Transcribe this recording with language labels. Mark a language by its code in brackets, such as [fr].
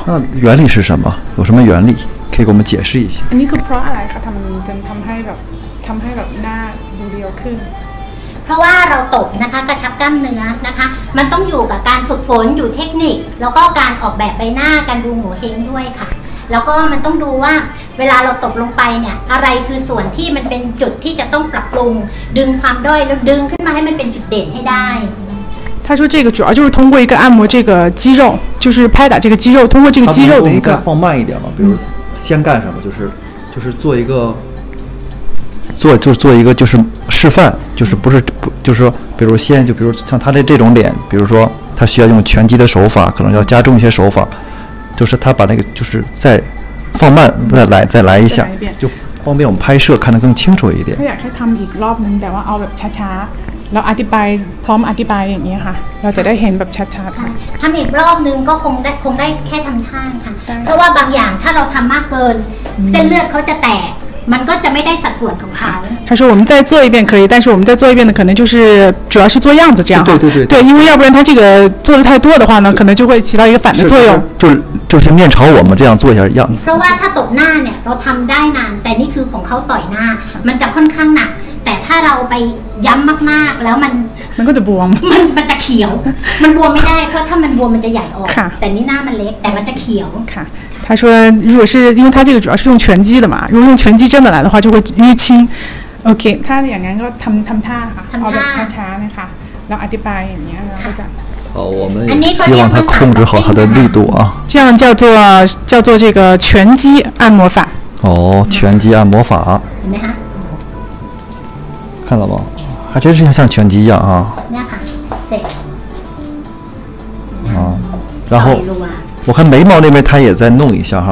[zh] 那原理是什么？有什么原理？可以给我们解释一下。 [th] อันนี้คือเพราะอะไรคะทำไมจะทำให้แบบทำให้แบบหน้าดูเรียวขึ้น เพราะว่าเราตบนะคะกระชับกล้ามเนื้อนะคะมันต้องอยู่กับการฝึกฝนอยู่เทคนิคแล้วก็การออกแบบใบหน้าการดูหัวเฮงด้วยค่ะแล้วก็มันต้องดูว่าเวลาเราตบลงไปเนี่ยอะไรคือส่วนที่มันเป็นจุดที่จะต้องปรับปรุงดึงความด้อยแล้วดึงขึ้นมาให้มันเป็นจุดเด่นให้ได้ [zh] 他说这个主要就是通过一个按摩这个肌肉，就是拍打这个肌肉，通过这个肌肉的一个。再放慢一点嘛，比如先干什么，就是做一个，做一个就是示范，就是不是不就是说，比如先就比如像他的这种脸，比如说他需要用拳击的手法，可能要加重一些手法，就是他把那个就是再放慢，再来一下，就方便我们拍摄看得更清楚一点。 [th] 他อยากให้ทำอีกรอบนึงแต่ว่าเอาแบบช้าๆเราอธิบายพร้อมอธิบายอย่างนี้ค่ะเราจะได้เห็นแบบชัดๆ ทำอีกรอบนึงก็คงได้แค่ทำท่าค่ะเพราะว่าบางอย่างถ้าเราทำมากเกินเส้นเลือดเขาจะแตกมันก็จะไม่ได้สัดส่วนของเขา [zh] 他说我们再做一遍可以但是我们再做一遍的可能就是主要是做样子这样对对对对, 对因为要不然他这个做的太多的话呢可能就会起到一个反的作用就是面朝我们这样做一下样子 [th] เพราะว่าถ้าตบหน้าเนี่ยเราทำได้นานแต่นี่คือของเขาต่อยหน้ามันจะค่อนข้างหนักแต่ถ้าเราไปย้ำมากๆแล้วมัน ก็จะบวม มันจะเขียวมันบวมไม่ได้เพราะถ้ามันบวมมันจะใหญ่ออก ค่ะ แต่นี่หน้ามันเล็กแต่มันจะเขียว [zh] ค่ะ他说如果是因为他这个主要是用拳击的嘛如果用拳击真的来的话就会淤青 OK [th] ถ้าอย่างนั้นก็ทำท่าค่ะ ทำท่าช้าๆนะคะแล้วอธิบายอย่างนี้แล้วก็จะ [zh] 我们希望他控制好他的力度啊这样叫做这个拳击按摩法哦拳击按摩法怎么样看到吗？还真是像拳击一样啊！你看，对，啊，然后我看眉毛那边他也在弄一下哈、